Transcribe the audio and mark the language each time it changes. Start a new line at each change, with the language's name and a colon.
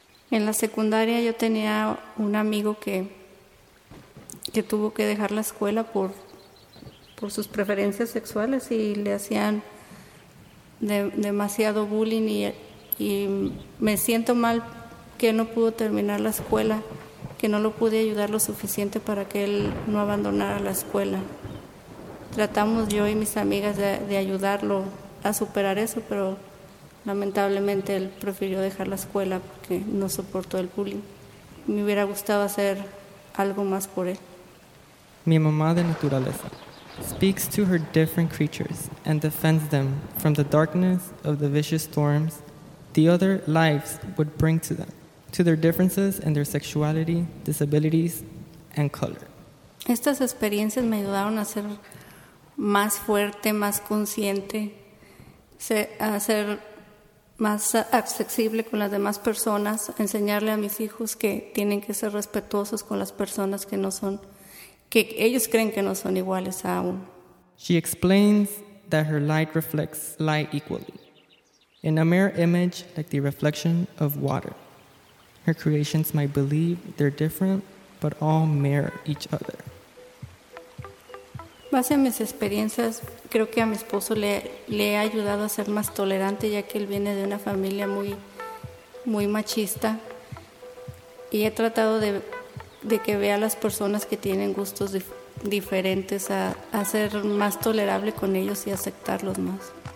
Spanish: En la secundaria yo tenía un amigo que tuvo que dejar la escuela por sus preferencias sexuales y le hacían demasiado bullying y me siento mal que no pudo terminar la escuela, que no lo pude ayudar lo suficiente para que él no abandonara la escuela. Tratamos yo y mis amigas de ayudarlo a superar eso, pero lamentablemente él prefirió dejar la escuela porque no soportó el bullying. Me hubiera gustado hacer algo más por él. Mi mamá de naturaleza
English: speaks to her different creatures and defends them from the darkness of the vicious storms the other lives would bring to them, to their differences in their sexuality, disabilities, and color.
Spanish: Estas experiencias me ayudaron a ser más fuerte, más consciente, a ser más accesible con las demás personas, enseñarle a mis hijos que tienen que ser respetuosos con las personas que no son. Que ellos creen que no son iguales a uno.
English: She explains that her light reflects light equally. In a mirror image like the reflection of water, her creations might believe they're different, but all mirror each other.
Spanish: Base a mis experiencias, creo que a mi esposo le ha ayudado a ser más tolerante, ya que él viene de una familia muy, muy machista. Y he tratado de que vea las personas que tienen gustos diferentes, a ser más tolerable con ellos y aceptarlos más.